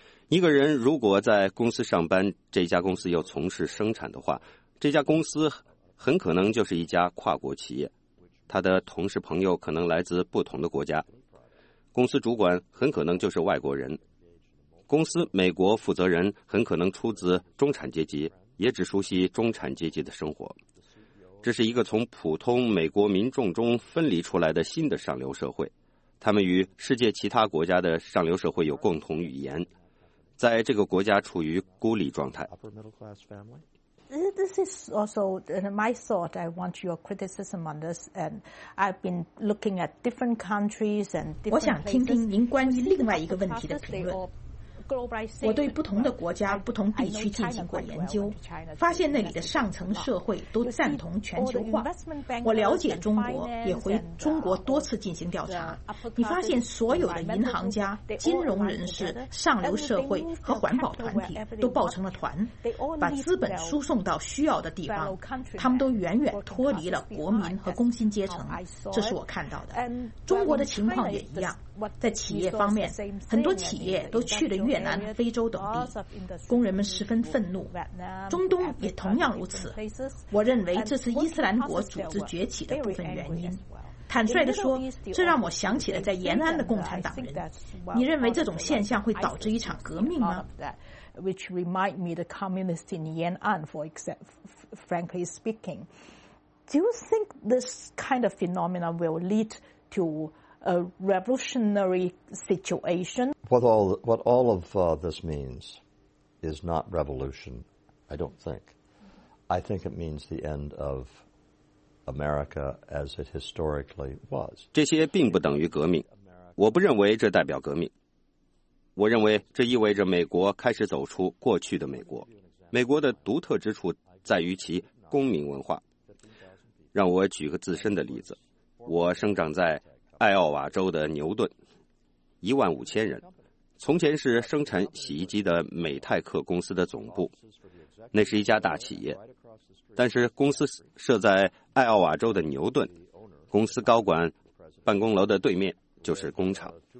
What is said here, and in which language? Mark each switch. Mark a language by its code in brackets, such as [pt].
[zh] 一个人如果在公司上班，这家公司又从事生产的话，这家公司很可能就是一家跨国企业，他的同事朋友可能来自不同的国家，公司主管很可能就是外国人，公司美国负责人很可能出自中产阶级，也只熟悉中产阶级的生活。这是一个从普通美国民众中分离出来的新的上流社会，他们与世界其他国家的上流社会有共同语言，在这个国家处于孤立状态。 [en] This is also my thought. I want your criticism on this, and I've been looking at different countries and different. [zh] 我想听听您关于另外一个问题的评论。我对不同的国家、不同地区进行过研究，发现那里的上层社会都赞同全球化。我了解中国，也回中国多次进行调查。你发现所有的银行家、金融人士、上流社会和环保团体都抱成了团，把资本输送到需要的地方。他们都远远脱离了国民和工薪阶层，这是我看到的。中国的情况也一样。在企业方面，很多企业都去了越南、非洲等地，工人们十分愤怒。中东也同样如此。我认为这是伊斯兰国组织崛起的部分原因。坦率地说，这让我想起了在延安的共产党人。你认为这种现象会导致一场革命吗？ [en] Which remind me the communists in Yan'an, for example, frankly speaking, do you think this kind of phenomena will lead to a revolutionary situation? What all of this means is not revolution. I don't think. I think it means the end of America as it historically was. [zh] 这些并不等于革命，我不认为这代表革命。我认为这意味着美国开始走出过去的美国。美国的独特之处在于其公民文化。让我举个自身的例子，我生长在艾奥瓦州的牛顿，15000人，从前是生产洗衣机的美泰克公司的总部，那是一家大企业，但是公司设在艾奥瓦州的牛顿，公司高管办公楼的对面就是工厂。